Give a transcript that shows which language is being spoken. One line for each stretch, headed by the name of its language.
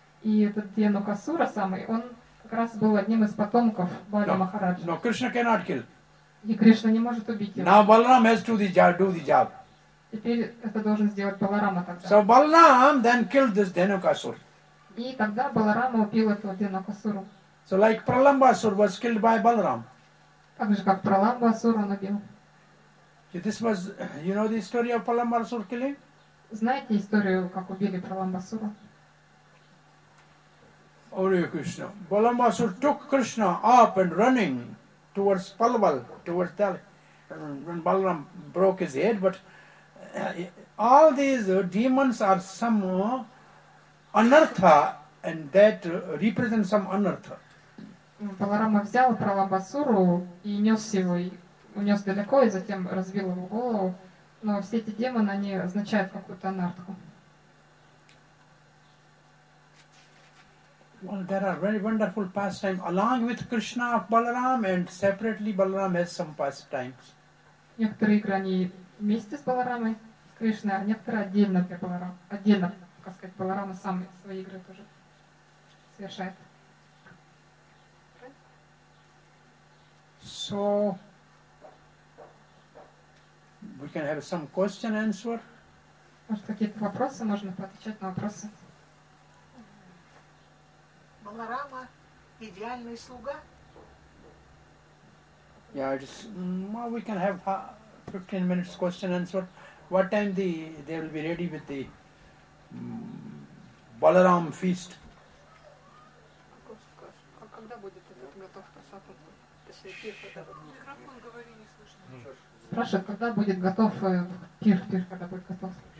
Russian: И этот Дхенукасура самый, он как раз был одним из потомков Бали Махараджа.
English: No, Krishna cannot kill.
Russian: И Кришна не может убить его.
English: Now Balaram has to do the job.
Russian: Теперь это должен сделать Баларама тогда.
English: So Balaram then killed this Dhenukasura.
Russian: И тогда Баларама убил этого Дхенукасуру.
English: So like Pralambasura was killed by Balaram.
Russian: Так же как Праламбасура он убил.
English: This was, you know, the story of Pralambasura killing.
Russian: Знаете историю, как убили Праламбасуру?
English: Hare Krishna. Pralambasura took Krishna up and running towards Palwal, towards Delhi. When Balaram broke his head, but all these demons are some anartha, and that represents some anartha.
Russian: Баларама взял Праламбасуру и нес его. Унес далеко и затем разбил его голову, но все эти демоны, они означают какую-то анартху.
English: Well, there are very wonderful pastimes along with Krishna of Balaram, and separately Balaram has some pastimes.
Russian: Некоторые игры они вместе с Баларамой, с Кришной, а некоторые отдельно для Баларамы. Отдельно, как сказать, Баларама сам свои игры тоже совершает.
English: So we can have some question answer.
Russian: Может, какие-то вопросы можно поотвечать на вопросы? Баларама идеальный слуга?
English: Yeah, just well, we can have 15 minutes question answer. What time they will be ready with the Баларам feast?
Russian: А когда будет этот готов просад? Спрашивает, когда будет готов пир, когда будет готов.